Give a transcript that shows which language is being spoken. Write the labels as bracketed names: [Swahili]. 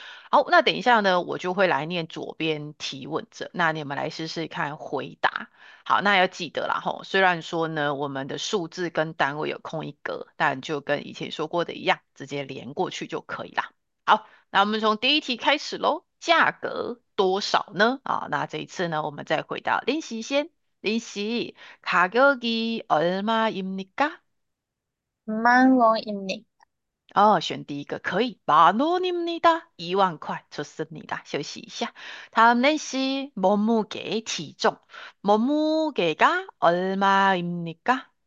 [Chinese] 好，那等一下呢，我就会来念左边提问者，那你们来试试看回答。好，那要记得啦吼，虽然说呢，我们的数字跟单位有空一格，但就跟以前说过的一样，直接连过去就可以啦。好，那我们从第一题开始喽，价格多少呢？啊，那这一次呢，我们再回答练习先。 [Korean] 林씨, 가격이 얼마입니까? 10,000원입니다. [Chinese] 어, 选第一个可以 [Korean] 만 원입니다. [Chinese] 10,000块 [Korean] 좋습니다. [Chinese] 休息一下。 [Korean] 다음 林씨, 몸무게 体重 몸무게가 얼마입니까?